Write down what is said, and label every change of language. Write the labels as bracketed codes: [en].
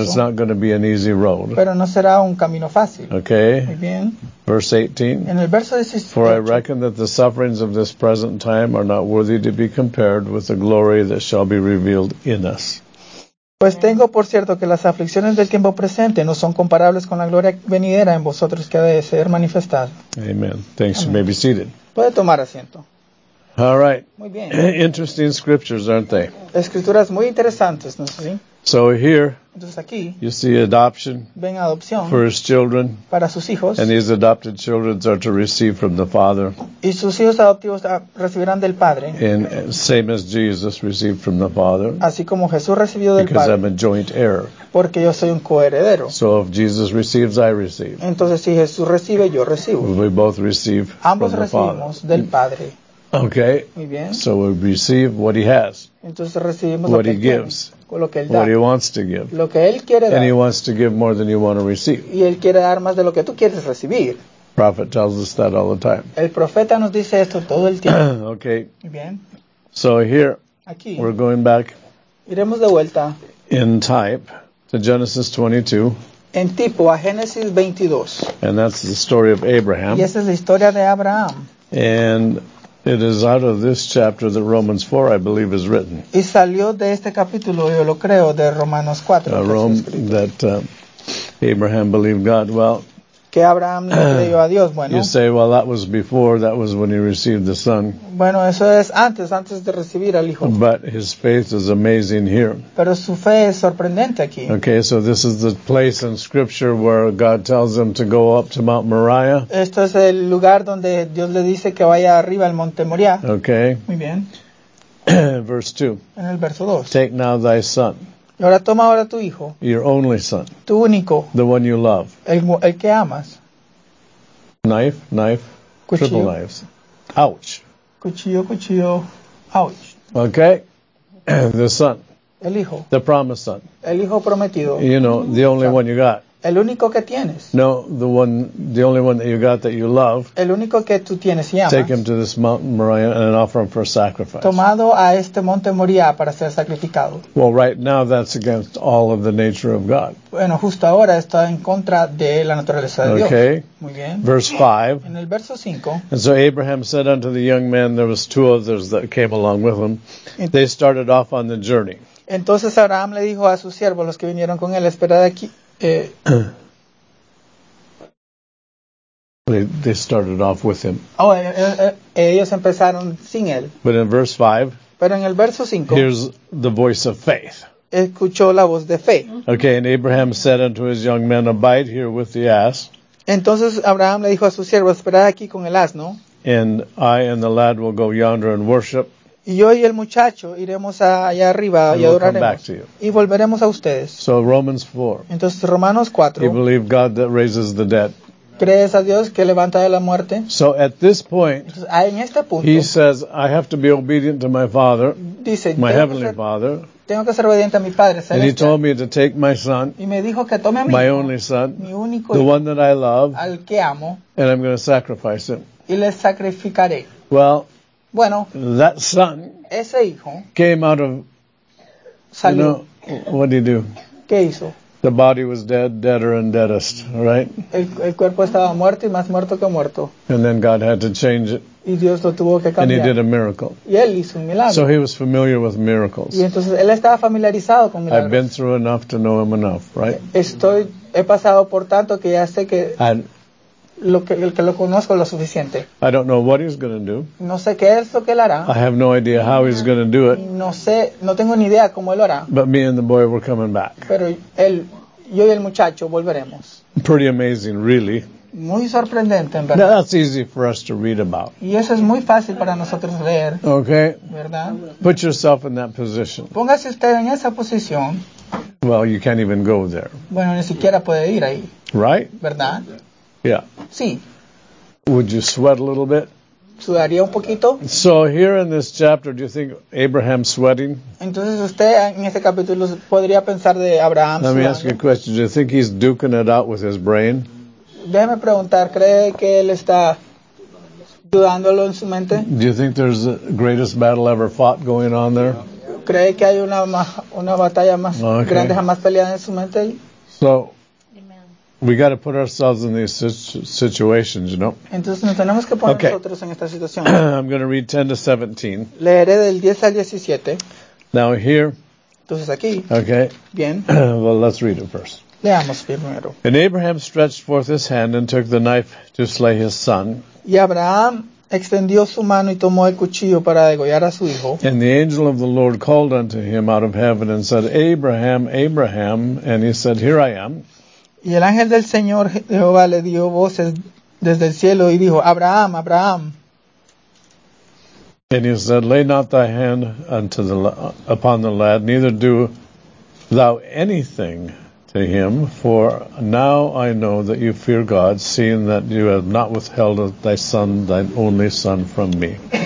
[en] But it's not going to be an easy road. [es] Pero no será un camino fácil. [en] Okay. [es] Muy bien. [en] Verse 18. [es] En el verso 18. [en] For I reckon that the sufferings of this present time are not worthy to be compared with the glory that shall be revealed in us. [es] Pues tengo por cierto que las aflicciones del tiempo presente no son comparables con la gloria venidera en vosotros que ha de ser manifestada. [en] Amen. Thanks. Amen. You may be seated. [es] Puede tomar asiento. [en] All right. [es] Muy bien. [en] Interesting scriptures, aren't they? [es] Escrituras muy interesantes, ¿no es así? [en] So here, [es] entonces aquí, [en] you see adoption, [es] ven adopción, [en] for his children, [es] para sus hijos, [en] and these adopted children are to receive from the Father, [es] y sus hijos adoptivos recibirán del Padre, [en] and same as Jesus received from the Father, [es] así como Jesús recibió del [en] because [es] Padre, [en] I'm a joint heir, [es] porque yo soy un coheredero, [en] so if Jesus receives, I receive, [es] entonces si Jesús recibe, yo recibo, [en] we both receive [es] ambos [en] from [es] recibimos [en] the Father. [es] Del Padre. [en] Okay, [es] muy bien. [en] So we receive what he has, [es] entonces recibimos [en] what [es] lo que [en] he gives, [es] tiene. Lo que él da, [en] what he wants to give. [es] Lo que él quiere dar. [en] And he wants to give more than you want to receive. [es] Y él quiere dar más de lo que tú quieres recibir. [en] Prophet tells us that all the time. [es] El profeta nos dice esto todo el tiempo. [en] Okay. [es] Bien. [en] So here, [es] aquí, [en] we're going back [es] iremos de vuelta [en] in type to Genesis 22. [es] En tipo a Génesis 22. [en] And that's the story of Abraham. [es] Y esa es la historia de Abraham. [en] And it is out of this chapter that Romans 4, I believe, is written. [es] Y salió de este capítulo, yo lo creo, de Romanos 4. [en] A Rome that Abraham believed God. Well, [es] que Abraham le creyó a Dios. Bueno, [en] you say, well, that was before, that was when he received the son. [es] Bueno, eso es antes de recibir al hijo. [en] But his faith is amazing here. [es] Pero su fe es sorprendente aquí. [en] Okay, so this is the place in scripture where God tells him to go up to Mount Moriah. [es] Esto es el lugar donde Dios le dice que vaya arriba al Monte Moriah. [en] Okay. [es] Muy bien. [en] Verse 2. [es] En el verso 2. [en] Take now thy son. [es] Ahora toma ahora tu hijo. [en] Your only son. [es] Tu único. [en] The one you love. [es] El que amas. [en] Knife. [es] Cuchillo. [en] Triple knives. Ouch. [es] Cuchillo. Ouch. [en] Okay. The son. [es] El hijo. [en] The promised son. [es] El hijo prometido. [en] You know, the only one you got. [es] El único que tienes. [en] No, the only one that you got that you love. [es] El único que tú tienes y amas. [en] Take him to this Mount Moriah and offer him for a sacrifice. [es] Tomado a este Monte Moriah para ser sacrificado. [en] Well, right now that's against all of the nature of God. [es] Bueno, justo ahora está en contra de la naturaleza de Dios. [en] Okay. [es] Muy bien. [en] Verse 5. [es] En el verso 5. [en] And so Abraham said unto the young man, there was two others that came along with him. They started off on the journey. [es] Entonces Abraham le dijo a sus siervos, los que vinieron con él, espera de aquí. [en] They started off with him. [es] Ellos empezaron sin él. [en] But in verse 5. [es] Pero en el verso 5. [en] Here's the voice of faith. [es] Escuchó la voz de fe. [en] Okay, and Abraham said unto his young men, abide here with the ass. [es] Entonces Abraham le dijo a sus siervos, esperad aquí con el asno. [en] And I and the lad will go yonder and worship. [es] Y yo y el muchacho iremos allá arriba y adoraremos. Y volveremos a ustedes. [en] So Romans 4. [es] Entonces Romanos 4. [en] You believe God that raises the dead. [es] ¿Crees a Dios que levanta de la muerte? [en] So at this point, [es] en este punto, [en] he says, I have to be obedient to my Father, [es] dice, [en] my Heavenly Father. [es] Tengo que ser obediente a mi Padre Celestial. [en] And he told me to take my son, [es] y me dijo que tome a [en] my [es] hijo, [en] only son, [es] mi único [en] the [es] hijo, [en] one that I love, [es] al que amo, [en] and I'm going to sacrifice him. [es] Y le sacrificaré. [en] Well, [es] bueno, [en] that son [es] ese hijo [en] came out of, [es] salió. [en] You know, what did he do? [es] ¿Qué hizo? [en] The body was dead, deader and deadest, right? [es] El cuerpo estaba muerto y más muerto que muerto. [en] And then God had to change it. [es] Y Dios lo tuvo que cambiar. [en] And he did a miracle. [es] Y él hizo un milagro. [en] So he was familiar with miracles. [es] Y entonces él estaba familiarizado con milagros. [en] I've been through enough to know him enough, right? [es] He pasado por tanto que ya sé que lo conozco lo suficiente. [en] I don't know what he's going to do. [es] No sé qué es lo que él hará. [en] I have no idea how he's going to do it. [es] No tengo ni idea cómo él hará. [en] But me and the boy were coming back. [es] Pero yo y el muchacho volveremos. [en] Pretty amazing, really. [es] Muy sorprendente, en verdad. [en] Now that's easy for us to read about. [es] Y eso es muy fácil para nosotros leer. [en] Okay. [es] ¿Verdad? [en] Put yourself in that position. [es] Póngase usted en esa posición. [en] Well, you can't even go there. [es] Bueno, ni siquiera puede ir ahí. [en] Right? [es] ¿Verdad? [en] Yeah. [es] Sí. [en] Would you sweat a little bit? [es] ¿Sudaría un poquito? [en] So here in this chapter, do you think Abraham's sweating? [es] Entonces usted en este capítulo podría pensar de Abraham. [en] Let me ask you a question. Do you think he's duking it out with his brain? [es] Déjeme preguntar, ¿cree que él está dudándolo en su mente? [en] Do you think there's the greatest battle ever fought going on there? [es] ¿Cree que hay una batalla más grande jamás peleada en su mente? [en] So, we got to put ourselves in these situations, you know. [es] Entonces nos tenemos que poner nosotros en esta situación. [en] I'm going to read 10 to 17. [es] Leeré del 10 al 17. [en] Now here. [es] Entonces aquí. [en] Okay. [es] Bien. [en] Well, let's read it first. [es] Leamos primero. [en] And Abraham stretched forth his hand and took the knife to slay his son. [es] Y Abraham extendió su mano y tomó el cuchillo para degollar a su hijo. [en] And the angel of the Lord called unto him out of heaven and said, Abraham, Abraham. And he said, here I am. [es] Y el ángel del Señor Jehová le dio voces desde el cielo y dijo, Abraham, Abraham. [en] And he said, lay not thy hand upon the lad, neither do thou anything to him, for now I know that you fear God, seeing that you have not withheld thy son, thine only son, from me.